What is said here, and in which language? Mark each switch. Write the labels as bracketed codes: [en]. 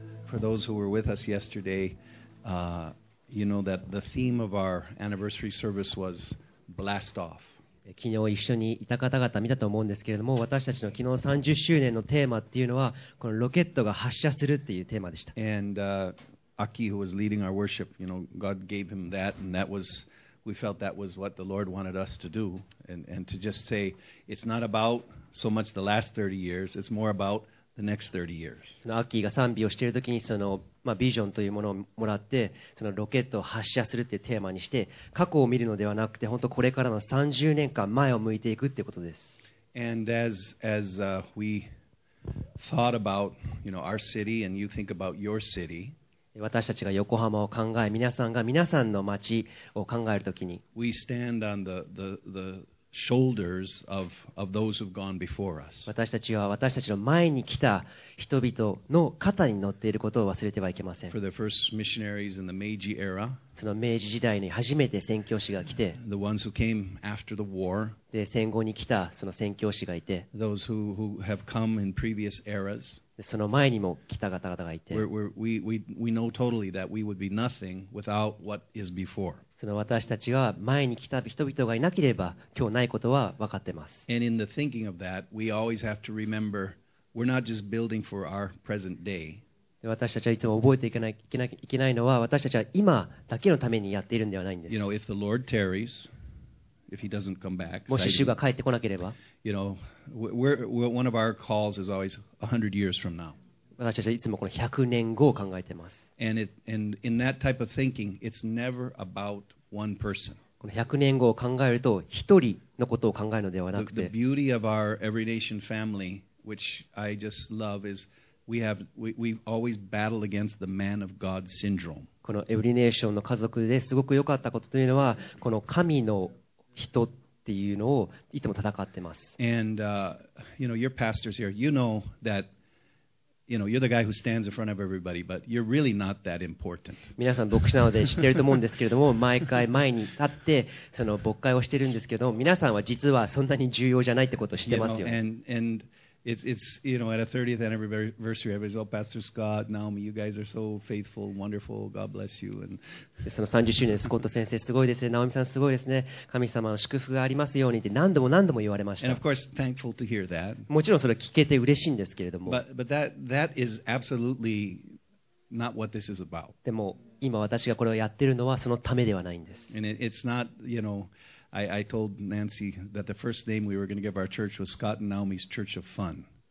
[en] For those who were with us yesterday, you know that the theme of our anniversary service was blast off. [ja] 昨日一緒にいた方々見たと思うんですけれども、私たちの昨日30周年のテーマっていうのはこのロケットが発射するっていうテーマでした。 [en] And Aki, who was leading our worship, you know, God gave him that, and that was, we felt that was what the Lord wanted us to do, and to just say, it's not about so much the last 30 years, it's more about the next 30 years. [ja] そのアキが賛美をしているときにその、まあ、ビジョンというものをもらってそのロケットを発射するというテーマにして過去を見るのではなくて本当これからの30年間前を向いていくということです。 [en] And as we thought about, you know, our city and you think about your city, [ja] 私たちが横浜を考え皆さんが皆さんの街を考えるときに [en] We stand on the shoulders of those who've gone before us. [ja] 私たちは私たちの前に来た人々の肩に乗っていることを忘れてはいけません。 [en] For the first missionaries in the Meiji era, [ja] その明治時代に初めて宣教師が来て、 [en] the ones who came after the war, [ja] で戦後に来たその宣教師がいて、 [en] those who have come in previous eras, [ja] その前にも来た方々がいて、 [en] we know totally that we would be nothing without what is before. [ja] その私たちは前に来た人々がいなければ今日ないことは分かってます。 [en] And in the thinking of that, we always have to remember we're not just building for our present day. [ja] 私たちはいつも覚えていかなきゃいけないのは私たちは今だけのためにやっているんではないんです。 [en] You know, if the Lord tarries, if he doesn't come back, [ja] もし主が帰ってこなければ、 [en] you know, we're one of our calls is always 100 years from now. [ja] 私たちはいつもこの100年後を考えています。 [en] and in that type of thinking, it's never about one person. [ja] この100年後を考えると一人のことを考えるのではなくて [en] the beauty of our Every Nation family, which I just love, is we've always battled against the man of God syndrome. [ja] このEvery Nationの家族ですごく良かったことというのはこの神の人っていうのをいつも戦ってます。 [en] and you know, your pastors here, you know thatYou know, you're the guy who stands in front of everybody, but you're really not that important. [ja] 皆さん牧師なので知っていると思うんですけれども、毎回前に立ってその牧会をしているんですけど、皆さんは実はそんなに重要じゃないってことを知ってますよ。 [en] You know, and it's you know, at a 30th anniversary, everybody's all, Pastor Scott, Naomi, you guys are so faithful, wonderful, God bless you. And [ja] その30周年、スコット先生すごいですね、ナオミさんすごいですね、神様の祝福がありますようにって何度も何度も言われました。 [en] And of course, thankful to hear that. [ja] もちろんそれを聞けて嬉しいんですけれども。 [en] But that is absolutely not what this is about. [ja] でも今私がこれをやってるのはそのためではないんです。 [en] And it's not, you know,I told Nancy that the first name we were going to give our church was Scott and Naomi's Church of Fun.